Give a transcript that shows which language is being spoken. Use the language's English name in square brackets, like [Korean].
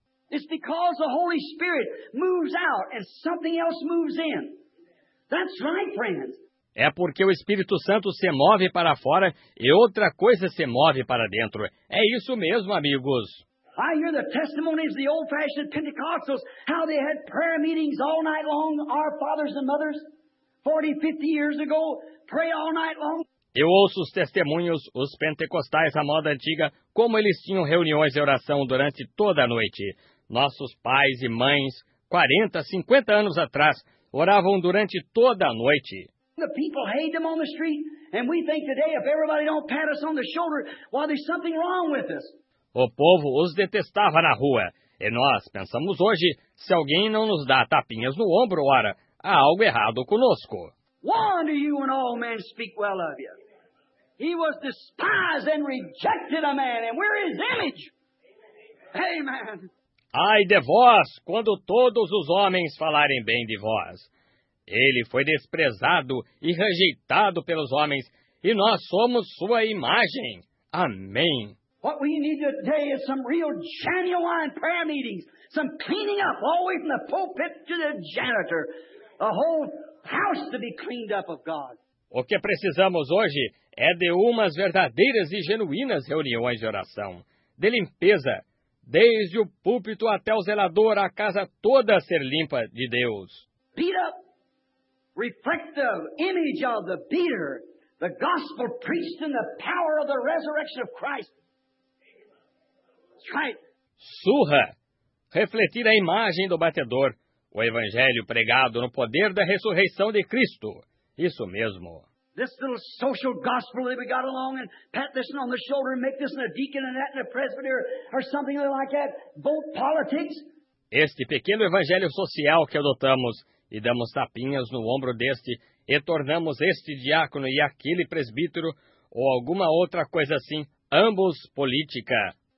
[English] It's because the Holy Spirit moves out and something else moves in. That's right, friends. [Portuguese] É porque o Espírito Santo se move para fora e outra coisa se move para dentro. É isso mesmo, amigos. [English] I hear the testimonies of the old-fashioned Pentecostals, how they had prayer meetings all night long, our fathers and mothers, 40, 50 years ago, pray all night long. [Portuguese] Eu ouço os testemunhos, os pentecostais à moda antiga, como eles tinham reuniões de oração durante toda a noite. Nossos pais e mães, 40, 50 anos atrás, oravam durante toda a noite. [English] The people hate them on the street, and we think today if everybody don't pat us on the shoulder, well, there's something wrong with us. [Portuguese] O povo os detestava na rua, e nós pensamos hoje, se alguém não nos dá tapinhas no ombro, ora, há algo errado conosco. [English] Wonder you when all men speak well of you. He was despised and rejected a man, and we're his image. Amen. [Portuguese] Ai de vós, quando todos os homens falarem bem de vós. Ele foi desprezado e rejeitado pelos homens, e nós somos sua imagem. Amém. [English] What we need today is some real genuine prayer meetings, some cleaning up all the way from the pulpit to the janitor, a whole house to be cleaned up of God. [Portuguese] O que precisamos hoje é de umas verdadeiras e genuínas reuniões de oração, de limpeza, desde o púlpito até o zelador, a casa toda ser limpa de Deus. [English] Beat up. Reflect the image of the beater, the gospel priest, and the power of the resurrection of Christ. That's right. [Portuguese] Surra. Refletir a imagem do batedor, o evangelho pregado no poder da ressurreição de Cristo. Isso mesmo. [English] This little social gospel that we got along and pat this one on the shoulder and make this one a deacon and that and a presbyter or something like that. Vote politics. [Portuguese] Este pequeno evangelho social que adotamos e damos tapinhas no ombro deste, e tornamos este diácono e aquele presbítero, ou alguma outra coisa assim, ambos política.